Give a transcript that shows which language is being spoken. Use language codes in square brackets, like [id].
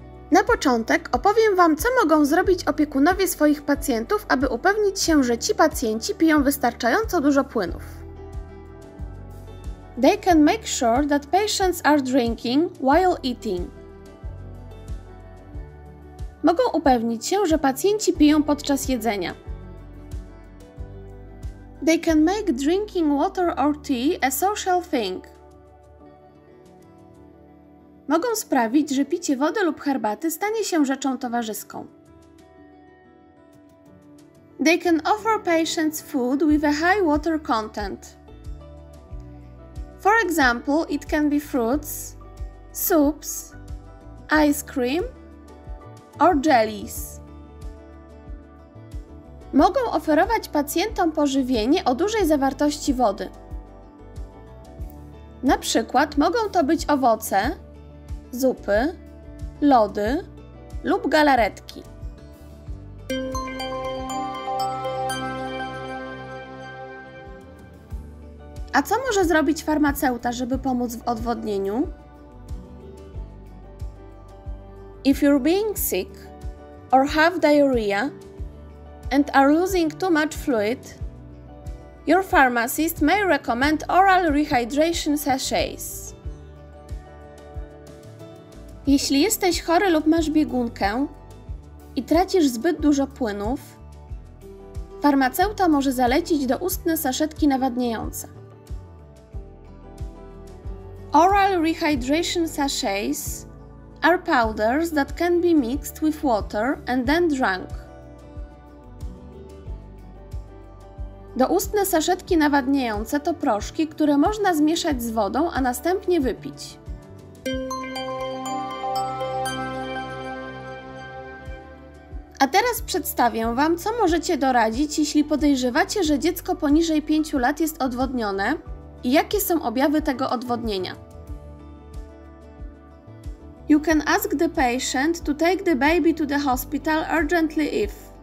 [pl] Na początek opowiem Wam, co mogą zrobić opiekunowie swoich pacjentów, aby upewnić się, że ci pacjenci piją wystarczająco dużo płynów. [en] They can make sure that patients are drinking while eating. [pl] Mogą upewnić się, że pacjenci piją podczas jedzenia. [en] They can make drinking water or tea a social thing. [pl] Mogą sprawić, że picie wody lub herbaty stanie się rzeczą towarzyską. [en] They can offer patients food with a high water content. For example, it can be fruits, soups, ice cream or jellies. [pl] Mogą oferować pacjentom pożywienie o dużej zawartości wody. Na przykład mogą to być owoce, zupy, lody lub galaretki. A co może zrobić farmaceuta, żeby pomóc w odwodnieniu? [en] If you're being sick or have diarrhea and are losing too much fluid, your pharmacist may recommend oral rehydration sachets. [pl] Jeśli jesteś chory lub masz biegunkę i tracisz zbyt dużo płynów, farmaceuta może zalecić doustne saszetki nawadniające. [en] Oral rehydration sachets are powders that can be mixed with water and then drunk. [pl] Doustne saszetki nawadniające to proszki, które można zmieszać z wodą, a następnie wypić. A teraz przedstawię Wam, co możecie doradzić, jeśli podejrzewacie, że dziecko poniżej 5 lat jest odwodnione i jakie są objawy tego odwodnienia. [en] You can ask the patient to take the baby to the hospital urgently if.